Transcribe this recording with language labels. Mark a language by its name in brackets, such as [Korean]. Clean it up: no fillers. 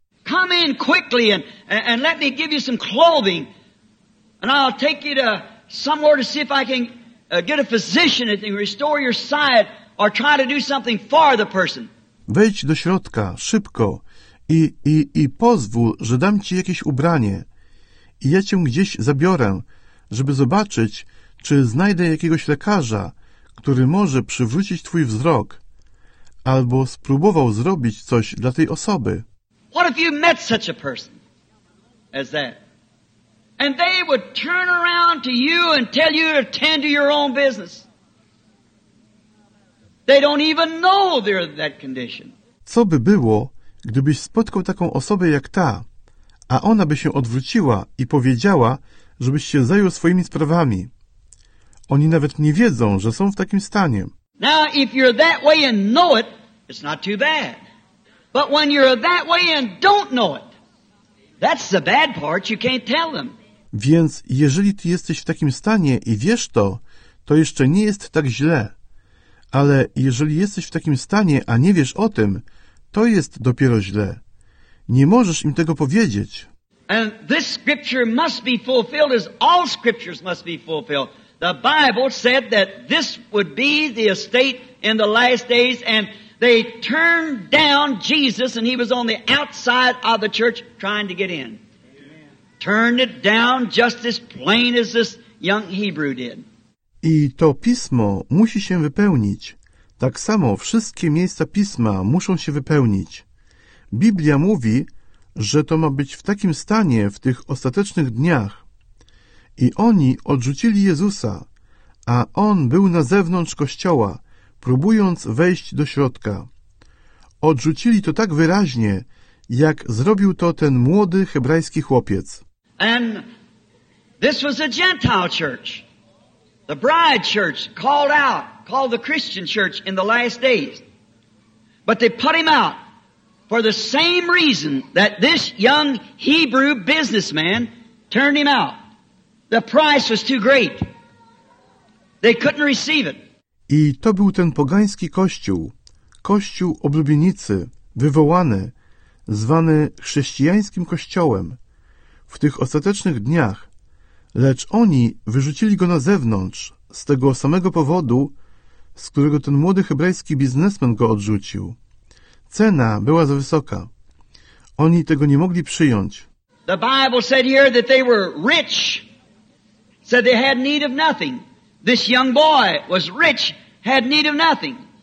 [English] Come in quickly and let me give you some clothing and I'll take you to somewhere to see if I can get a physician and restore your sight or try to do something for the person. [Polish] Wejdź do środka, szybko i pozwól, że dam ci jakieś ubranie i ja cię gdzieś zabiorę, żeby zobaczyć, czy znajdę jakiegoś lekarza, który może przywrócić twój wzrok albo spróbował zrobić coś dla tej osoby. [English] What if you met such a person as that? And they would turn around to you and tell you to attend to your own business. They don't even know they're in that condition. [Polish] Co by było, gdybyś spotkał taką osobę jak ta, a ona by się odwróciła i powiedziała, żebyś się zajął swoimi sprawami. Oni nawet nie wiedzą, że są w takim stanie. [English] Now, if you're that way and know it, it's not too bad. But when you're that way and don't know it, that's the bad part, you can't tell them. [Polish] Więc jeżeli ty jesteś w takim stanie i wiesz to, to jeszcze nie jest tak źle. Ale jeżeli jesteś w takim stanie, a nie wiesz o tym, to jest dopiero źle. Nie możesz im tego powiedzieć. [English] And this scripture must be fulfilled as all scriptures must be fulfilled. The Bible said that this would be the estate in the last days and they turned down Jesus and he was on the outside of the church trying to get in. Amen. Turned it down just as plain as this young Hebrew did. [Polish] I to pismo musi się wypełnić. Tak samo wszystkie miejsca pisma muszą się wypełnić. Biblia mówi, że to ma być w takim stanie w tych ostatecznych dniach. I oni odrzucili Jezusa, a on był na zewnątrz kościoła, próbując wejść do środka. Odrzucili to tak wyraźnie, jak zrobił to ten młody hebrajski chłopiec. [English] And this was a Gentile church, the bride church called out, called the Christian church in the last days. But they put him out for the same reason that this young Hebrew businessman turned him out. The price was too great. They couldn't receive it. [Polish] I to był ten pogański kościół, kościół oblubienicy, wywołany, zwany chrześcijańskim kościołem, w tych ostatecznych dniach, lecz oni wyrzucili go na zewnątrz z tego samego powodu, z którego ten młody hebrajski biznesmen go odrzucił. Cena była za wysoka. Oni tego nie mogli przyjąć. [English] The Bible said here that they were rich. Said they had need of nothing. This young boy was rich, had need of nothing.